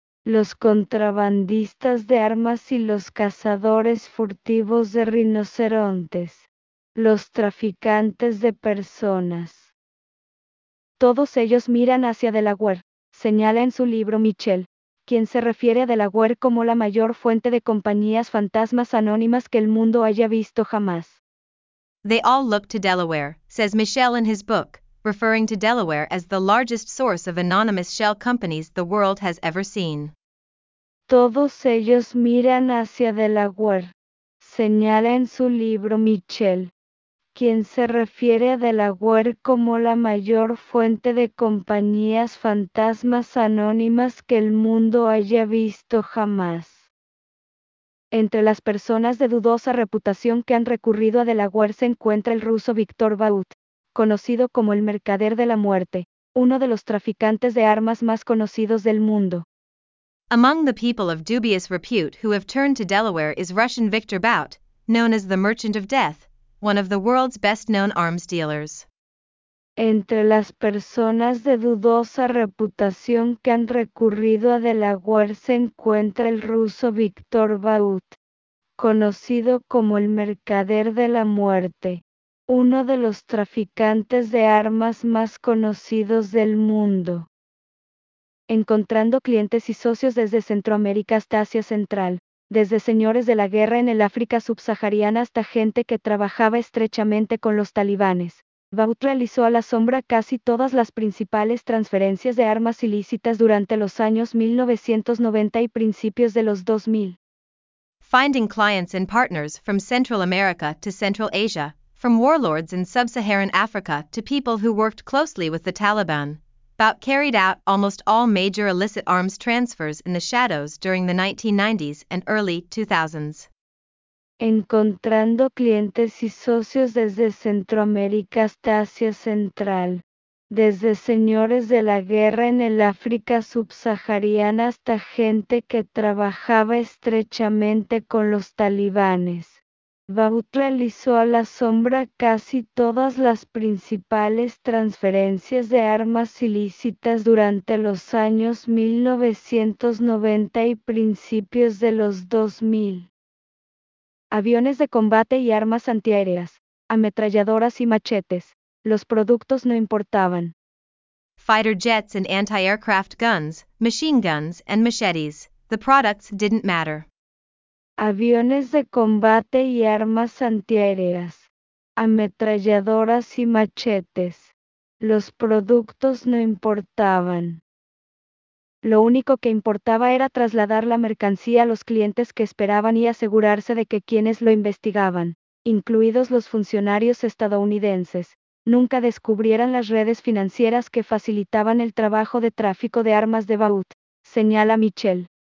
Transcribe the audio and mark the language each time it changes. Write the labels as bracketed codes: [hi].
[es] Los contrabandistas de armas y los cazadores furtivos de rinocerontes. Los traficantes de personas. Todos ellos miran hacia Delaware, señala en su libro Michelle. Quien se refiere a Delaware como la mayor fuente de compañías fantasmas anónimas que el mundo haya visto jamás. [en] They all look to Delaware, says Michelle in his book, referring to Delaware as the largest source of anonymous shell companies the world has ever seen. [es] Todos ellos miran hacia Delaware, señala en su libro Michelle. quien se refiere a Delaware como la mayor fuente de compañías fantasmas anónimas que el mundo haya visto jamás. Entre las personas de dudosa reputación que han recurrido a Delaware se encuentra el ruso Víctor Baut, conocido como el mercader de la muerte, uno de los traficantes de armas más conocidos del mundo. [en] Among the people of dubious repute who have turned to Delaware is Russian Victor Bout, known as the Merchant of Death, one of the world's best-known arms dealers. [es] Entre las personas de dudosa reputación que han recurrido a Delaware se encuentra el ruso Víctor Baut, conocido como el mercader de la muerte, uno de los traficantes de armas más conocidos del mundo. Encontrando clientes y socios desde Centroamérica hasta Asia Central, desde señores de la guerra en el África subsahariana hasta gente que trabajaba estrechamente con los talibanes, Baut realizó a la sombra casi todas las principales transferencias de armas ilícitas durante los años 1990 y principios de los 2000. [en] Finding clients and partners from Central America to Central Asia, from warlords in sub-Saharan Africa to people who worked closely with the Taliban, Baut carried out almost all major illicit arms transfers in the shadows during the 1990s and early 2000s. [es] Encontrando clientes y socios desde Centroamérica hasta Asia Central, desde señores de la guerra en el África subsahariana hasta gente que trabajaba estrechamente con los talibanes, Baut realizó a la sombra casi todas las principales transferencias de armas ilícitas durante los años 1990 y principios de los 2000. Aviones de combate y armas antiaéreas, ametralladoras y machetes, los productos no importaban. [en] Fighter jets and anti-aircraft guns, machine guns and machetes, the products didn't matter. [es] Aviones de combate y armas antiaéreas, ametralladoras y machetes, los productos no importaban. Lo único que importaba era trasladar la mercancía a los clientes que esperaban y asegurarse de que quienes lo investigaban, incluidos los funcionarios estadounidenses, nunca descubrieran las redes financieras que facilitaban el trabajo de tráfico de armas de Baut, señala Michelle.